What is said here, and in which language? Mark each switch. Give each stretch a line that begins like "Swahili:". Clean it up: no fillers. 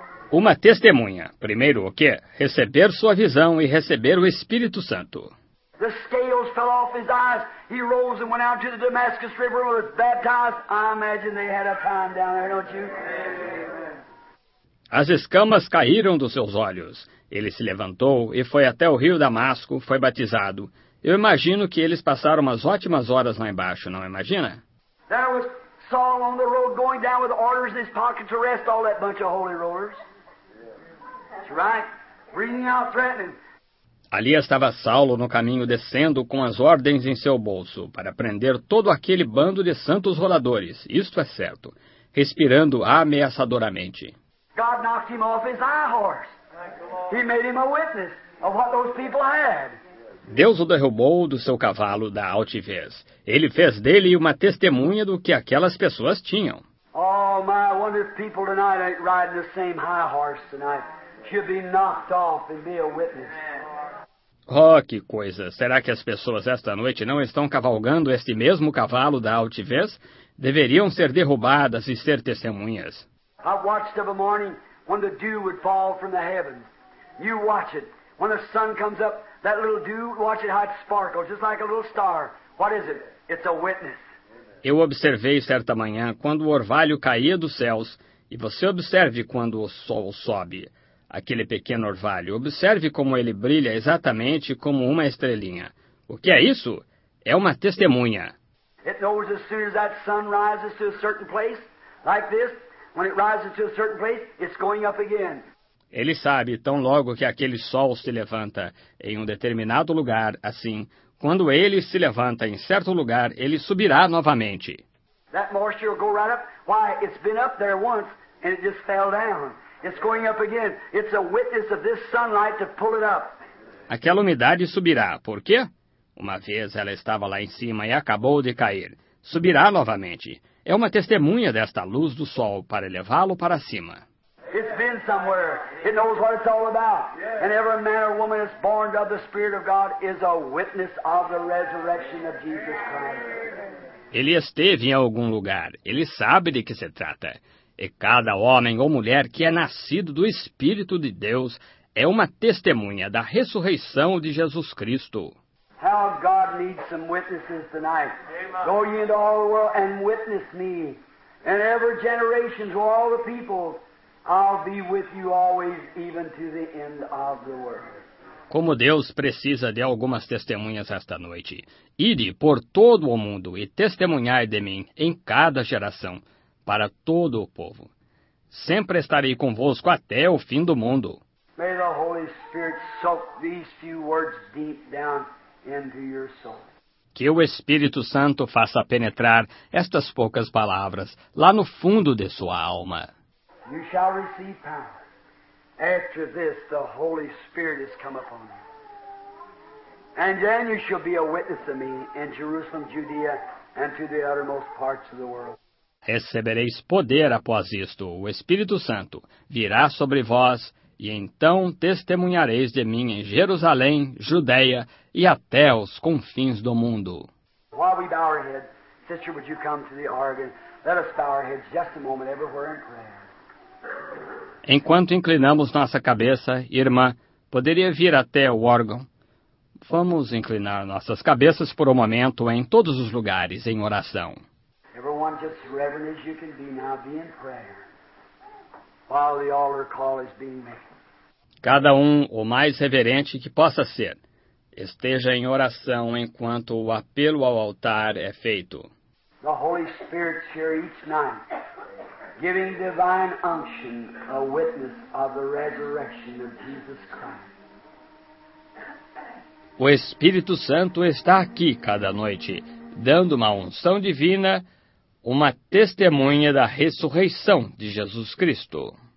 Portuguese: Uma testemunha. Primeiro o quê? Receber sua visão e receber o Espírito Santo.
English: The scales fell off his eyes. He rose and went out to the Damascus River and was baptized. I imagine they had a time down there, don't you?
Portuguese: As escamas caíram dos seus olhos. Ele se levantou e foi até o rio Damasco, foi batizado. Eu imagino que eles passaram umas ótimas horas lá embaixo, não imagina?
English: There was Saul on the road going down with orders in his pocket to arrest all that bunch of holy rollers. That's right. Breathing out, threatening.
Portuguese: Ali estava Saulo no caminho descendo com as ordens em seu bolso para prender todo aquele bando de santos roladores, isto é certo, respirando ameaçadoramente.
English: God knocked him off his high horse. He made him a witness of what those people had.
Portuguese: Deus o derrubou do seu cavalo da altivez. Ele fez dele uma testemunha do que aquelas pessoas tinham.
English: Oh, my, I wonder if people tonight ain't riding the same high horse tonight. Should be knocked off and be a witness.
Portuguese: Oh, que coisa! Será que as pessoas esta noite não estão cavalgando este mesmo cavalo da altivez? Deveriam ser derrubadas e ser testemunhas.
English: I watched of a morning when the dew would fall from the heavens. You watch it. When the sun comes up, that little dew, watch it how it sparkles, just like a little star. What is it? It's a witness.
Portuguese: Eu observei certa manhã quando o orvalho caía dos céus, e você observe quando o sol sobe. Aquele pequeno orvalho, observe como ele brilha exatamente como uma estrelinha. O que é isso? É uma testemunha.
English: It knows as soon as that sun rises to a certain place, like this, when it rises to a certain place, it's going up again.
Portuguese: Ele sabe, tão logo que aquele sol se levanta em um determinado lugar, assim, quando ele se levanta em certo lugar, ele subirá novamente.
English: That moisture will go right up. Why, it's been up there once, and it just fell down. It's going up again. It's a witness of this sunlight to pull it up.
Portuguese: Aquela umidade subirá. Por quê? Uma vez ela estava lá em cima e acabou de cair. Subirá novamente. É uma testemunha desta luz do sol para levá-lo para cima.
English: It's been somewhere. It knows what it's all about. And every man or woman that's born of the Spirit of God is a witness of the resurrection of Jesus Christ.
Portuguese: Ele esteve em algum lugar. Ele sabe de que se trata. E cada homem ou mulher que é nascido do Espírito de Deus é uma testemunha da ressurreição de Jesus Cristo.
English: How God needs some witnesses tonight. Go ye into all the world and witness me. And every generation to all the people, I'll be with you always, even to the end of the world.
Portuguese: Como Deus precisa de algumas testemunhas esta noite. Ide por todo o mundo e testemunhai de mim em cada geração. Para todo o povo. Sempre estarei convosco até o fim do mundo.
English: May the Holy Spirit soak these few words deep down into your soul.
Portuguese: Que o Espírito Santo faça penetrar estas poucas palavras lá no fundo de sua alma.
English: You shall receive power. After this, the Holy Spirit has come upon you. And then you shall be a witness of me in Jerusalem, Judea, and to the uttermost parts of the world.
Portuguese: Recebereis poder após isto, o Espírito Santo virá sobre vós, e então testemunhareis de mim em Jerusalém, Judeia e até os confins do mundo.
English: While we bow our heads, sister, would you come to the organ? Let us bow our heads just a moment, everywhere in prayer.
Portuguese: Enquanto inclinamos nossa cabeça, irmã, poderia vir até o órgão. Vamos inclinar nossas cabeças por um momento em todos os lugares em oração.
English: Everyone just reverent as you can be now, be in prayer, while the altar call is being made.
Portuguese: Cada um, o mais reverente que possa ser, esteja em oração enquanto o apelo ao altar é feito.
English: The Holy Spirit's here each night, giving divine unction, a witness of the resurrection of Jesus Christ.
Portuguese: O Espírito Santo está aqui cada noite, dando uma unção divina, uma testemunha da ressurreição de Jesus Cristo.